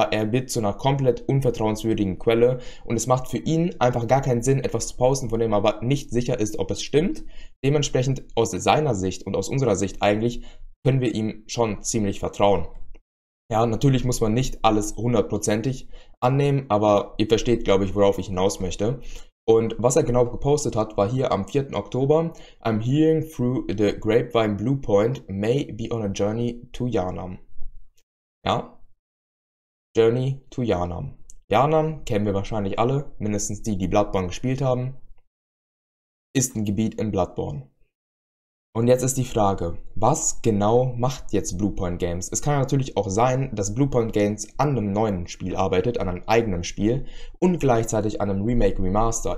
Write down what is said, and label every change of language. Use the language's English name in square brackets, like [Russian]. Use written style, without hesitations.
[German] Ja, er wird zu einer komplett unvertrauenswürdigen Quelle und es macht für ihn einfach gar keinen Sinn, etwas zu posten, von dem er aber nicht sicher ist, ob es stimmt. Dementsprechend aus seiner Sicht und aus unserer Sicht eigentlich können wir ihm schon ziemlich vertrauen. Ja, natürlich muss man nicht alles hundertprozentig annehmen, aber ihr versteht, glaube ich, worauf ich hinaus möchte. Und was er genau gepostet hat, war hier am 4. Oktober: [English] I'm hearing through the grapevine Bluepoint may be on a journey to Yharnam. [German] Ja, [English] Journey to [German] Yharnam. Yharnam kennen wir wahrscheinlich alle, mindestens die, die Bloodborne gespielt haben, ist ein Gebiet in Bloodborne. Und jetzt ist die Frage, was genau macht jetzt Bluepoint Games? Es kann natürlich auch sein, dass Bluepoint Games an einem neuen Spiel arbeitet, an einem eigenen Spiel und gleichzeitig an einem Remake Remaster.